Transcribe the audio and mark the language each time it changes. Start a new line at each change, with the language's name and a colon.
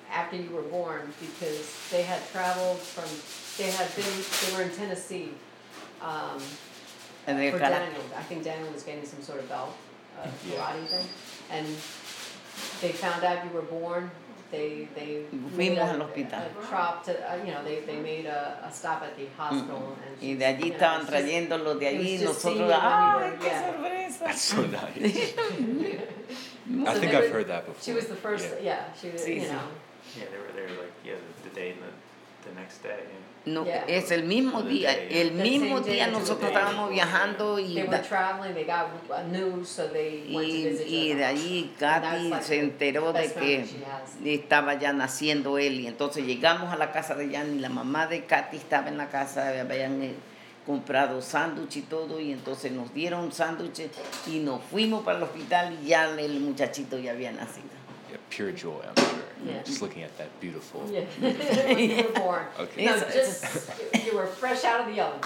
English: after you were born, because they had traveled from, they were in Tennessee. And for Daniel, I think Daniel was getting some sort of belt, karate thing, and they found out you were born. They
Spanish: fuimos al hospital.
English: A trop to, you know, they made a stop at the hospital. Mm-hmm. And
Spanish: y de allí estaban trayéndolo, de allí nosotros. Ah, qué sorpresa!
English: That's so nice. I think I've heard that before. She was the first. Yeah, yeah she was.
Spanish: Sí,
English: you know. Yeah, they were there like yeah, the day and the next day. Yeah. No, yeah.
Spanish: Es el mismo día, el mismo día nosotros estábamos viajando y de allí Katy se enteró de que estaba ya naciendo él, y entonces llegamos a la casa de Jan y la mamá de Katy estaba en la casa, habían comprado sándwich y todo, y entonces nos dieron sándwiches y nos fuimos para el hospital y ya el muchachito ya había nacido.
English: Yeah, pure joy, I'm sure. Yeah. Just looking at that beautiful. Yeah. You were born. Okay. No, just you were fresh out of the oven.